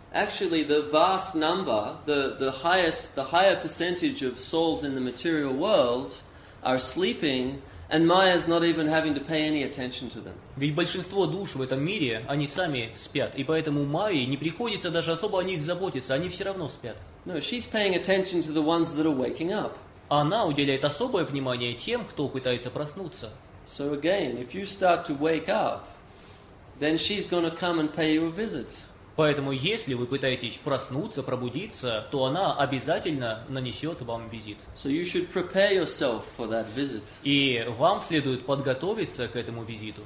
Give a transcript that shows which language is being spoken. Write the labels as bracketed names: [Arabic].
[English] Actually, the vast number, the higher percentage of souls in the material world are sleeping, and Maya's not even having to pay any attention to them. [Russian] Ведь большинство душ в этом мире они сами спят, и поэтому Майе не приходится даже особо о них заботиться, они все равно спят. [English] No, she's paying attention to the ones that are waking up. [Russian] Она уделяет особое внимание тем, кто пытается проснуться. [English] So again, if you start to wake up, then she's going to come and pay you a visit. [Russian] Поэтому, если вы пытаетесь проснуться, пробудиться, то она обязательно нанесет вам визит. [English] So you should prepare yourself for that visit. [Russian] И вам следует подготовиться к этому визиту.